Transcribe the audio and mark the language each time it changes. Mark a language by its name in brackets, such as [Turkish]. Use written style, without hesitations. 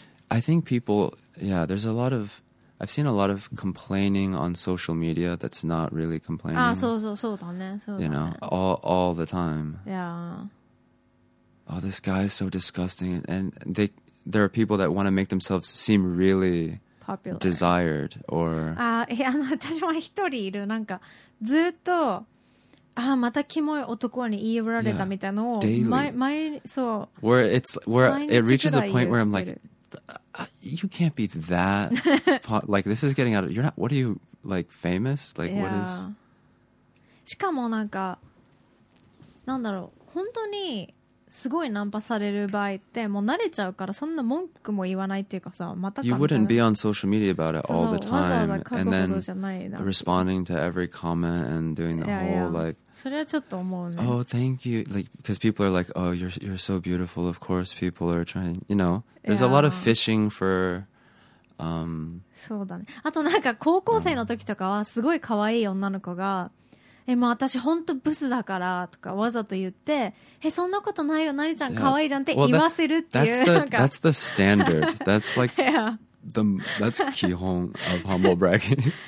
[English] I think people, yeah, there's a lot of, I've seen a lot of complaining on social media that's not really complaining. [Japanese] Ah, so, so, so, だね。そうだね。 [English] You know, all the time. Yeah. Oh, this guy is so disgusting. And there are people that want to make themselves seem really popular. Desired or... [Japanese] Ah, yeah, 私は一人いる。なんか、ずっと、ah, またキモい男に言い寄られたみたいなのを、 [English] daily. [Japanese] そう。 [English] Where it's, where it reaches a point where I'm like,you can't be that like this is getting out of you're not what are you like famous like、 yeah. what is [Japanese] しかもなんかなんだろう本当にすごいナンパされる場合ってもう慣れちゃうからそんな文句も言わないっていうかさまた [English] You wouldn't be on social media about it all the time [Japanese] そうそうわざわざ書くことじゃないなんて [English] responding to every comment and doing the whole like [Japanese] それはちょっと思うね [English] Oh thank you like because people are like oh you're so beautiful of course people are trying you know there's a lot of fishing for [Japanese] そうだねあとなんか高校生の時とかはすごい可愛い女の子がえ、もう私本当ブスだからとかわざと言って、え、そんなことないよ、なにちゃん可愛いじゃんって言わせるっていう。 [English] That's the standard. That's like that's 基本 of humble bragging.